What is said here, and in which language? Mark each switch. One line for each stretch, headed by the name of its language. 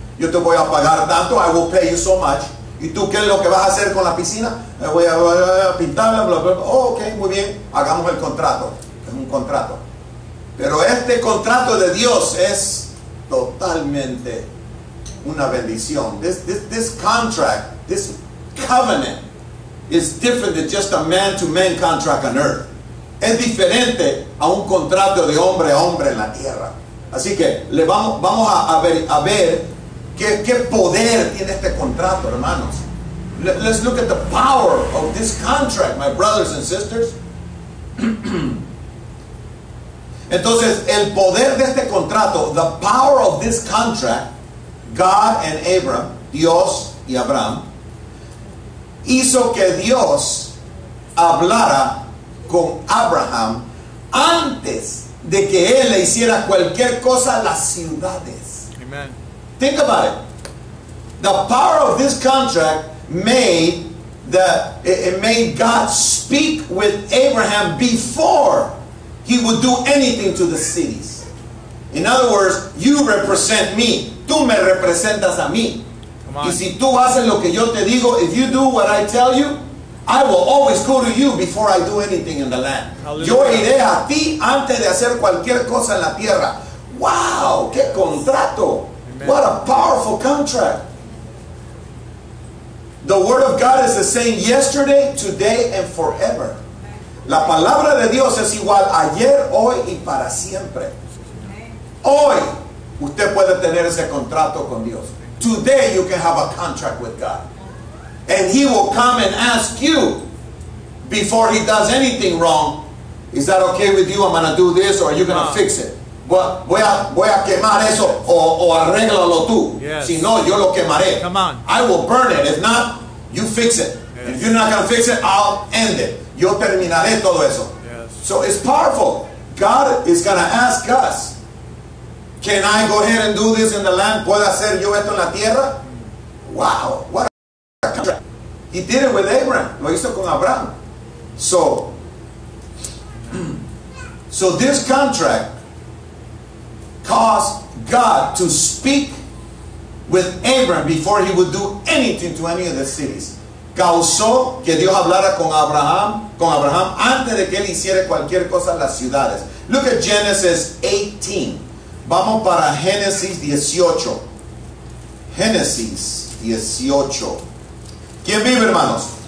Spanish: Yo te voy a pagar tanto.
English: I will pay you so much.
Spanish: ¿Y tú qué es lo que vas a hacer con la piscina? Voy a pintarla, bla, bla, bla. Oh, ok, muy bien. Hagamos el contrato. Es un contrato. Pero este contrato de Dios es totalmente una bendición.
English: This contract, this covenant, is different than just a man-to-man contract on earth.
Spanish: Es diferente a un contrato de hombre a hombre en la tierra. Así que le vamos a ver ¿Qué poder tiene este contrato, hermanos?
English: Let's look at the power of this contract, my brothers and sisters.
Spanish: Entonces, el poder de este contrato,
English: the power of this contract, God and Abraham,
Spanish: Dios y Abraham, hizo que Dios hablara con Abraham antes de que él le hiciera cualquier cosa a las ciudades.
English: Amen. Think about it. The power of this contract made God speak with Abraham before he would do anything to the cities. In other words, you represent me.
Spanish: Tú me representas a mí. Y si tú haces lo que yo te digo,
English: if you do what I tell you, I will always go to you before I do anything in the land. Hallelujah.
Spanish: Yo iré a ti antes de hacer cualquier cosa en la tierra.
English: Wow,
Spanish: qué contrato.
English: What a powerful contract. The word of God is the same yesterday, today, and forever.
Spanish: La palabra de Dios es igual ayer, hoy, y para siempre. Hoy, usted puede tener ese contrato con Dios.
English: Today, you can have a contract with God. And he will come and ask you before he does anything wrong. Is that okay with you? I'm going to do this, or are you going to fix it?
Spanish: Voy a quemar eso, o arréglalo tú.
English: Yes.
Spanish: Si no, yo lo quemaré.
English: Come on. I will burn it. If not, you fix it. Yes. If you're not going to fix it, I'll end it.
Spanish: Yo terminaré todo eso.
English: Yes. So it's powerful. God is going to ask us, can I go ahead and do this in the land?
Spanish: ¿Puedo hacer yo esto en la tierra?
English: Wow. What a contract. He did it with Abraham.
Spanish: Lo hizo con Abraham.
English: So this contract caused God to speak with Abraham before he would do anything to any of the cities.
Spanish: Causó que Dios hablara con Abraham antes de que él hiciera cualquier cosa en las ciudades.
English: Look at Genesis 18.
Spanish: Vamos para Génesis 18. Génesis 18. ¿Quién vive, hermanos?